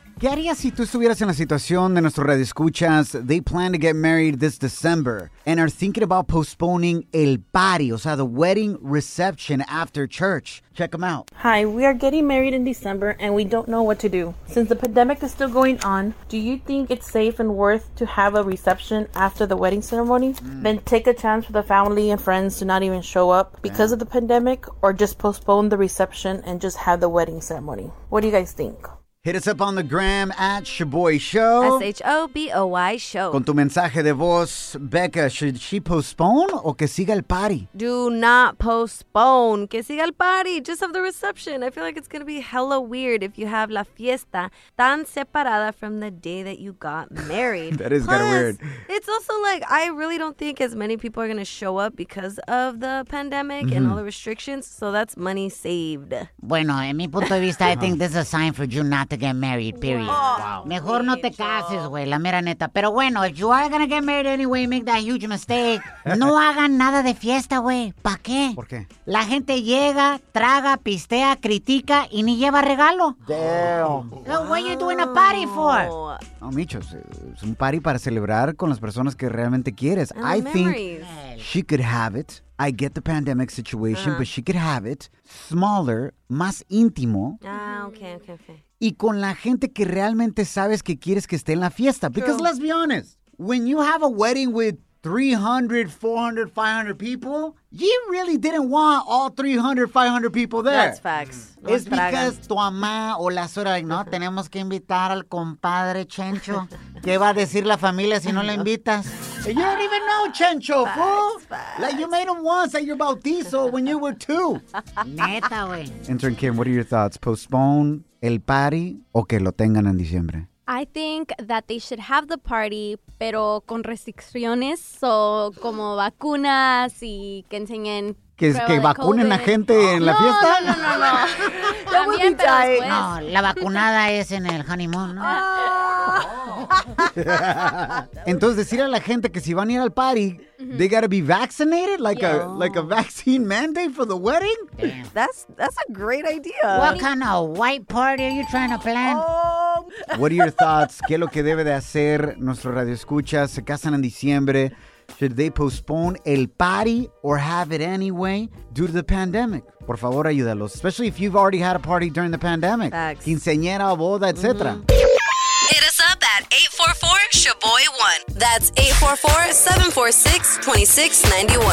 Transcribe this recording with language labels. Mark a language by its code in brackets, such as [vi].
[es] ¿Qué harías si tú estuvieras en la situación de nuestro radioescuchas? [en] They plan to get married this December and are thinking about postponing el party, [es] o sea, [en] the wedding reception after church. Check them out. Hi, we are getting married in December and we don't know what to do. Since the pandemic is still going on, do you think it's safe and worth to have a reception after the wedding ceremony? Then take a chance for the family and friends to not even show up because of the pandemic, or just postpone the reception and just have the wedding ceremony? What do you guys think? Hit us up on the gram at Shaboy Show. S-H-O-B-O-Y Show. [es] Con tu mensaje de voz, Becca, [en] should she postpone [es] o que siga el party? [en] Do not postpone. [es] Que siga el party. [en] Just have the reception. I feel like it's going to be hella weird if you have [es] la fiesta tan separada [en] from the day that you got married. That is kind of weird. It's also like, I really don't think as many people are going to show up because of the pandemic and all the restrictions. So that's money saved. [es] Bueno, en mi punto de vista, [en] I think this is a sign for you not to get married, period. [es] Mejor no te cases, güey, la mera neta. Pero bueno, [en] if you are gonna get married anyway, make that huge mistake. [es] No hagan nada de fiesta, güey. ¿Pa qué? ¿Por qué? La gente llega, traga, pistea, critica y ni lleva regalo. [en] Damn. Wow. What are you doing a party for? [es] No, Michos, es un party para celebrar con las personas que realmente quieres. [en] And I think she could have it. I get the pandemic situation, but she could have it smaller, [es] más íntimo. [en] Okay. [es] Y con la gente que realmente sabes que quieres que esté en la fiesta. [en] Because let's be honest, when you have a wedding with 300, 400, 500 people, you really didn't want all 300, 500 people there. That's facts. It's because [es] tu mamá o la suegra, like, no, tenemos que invitar al compadre Chencho. ¿Qué va a decir la familia si no la invitas? [en] You don't even know Chencho, facts, fool. Facts. Like, you made him once at your bautizo when you were two. [es] Neta, güey. [en] Intern Kim, what are your thoughts? [es] Postpone el party o que lo tengan en diciembre? [en] I think that they should have the party, [es] pero con restricciones, so como vacunas y que enseñen. ¿Que vacunen a gente en la fiesta? No. [en] That would be dying. [es] No, la vacunada es en el honeymoon, ¿no? Entonces, decir a la gente que si van a ir al party, [en] they gotta be vaccinated, like a vaccine mandate for the wedding? Damn. That's a great idea. What kind of white party are you trying to plan? What are your thoughts? [es] ¿Qué es lo que debe de hacer nuestro radioescucha? Se casan en diciembre. [en] Should they postpone el party or have it anyway due to the pandemic? [es] Por favor, ayúdalos. [en] Especially if you've already had a party during the pandemic. Facts. [es] Quinceañera, boda, etc. [en] Hit us up at 844-SHABOY1. That's 844-746-2691.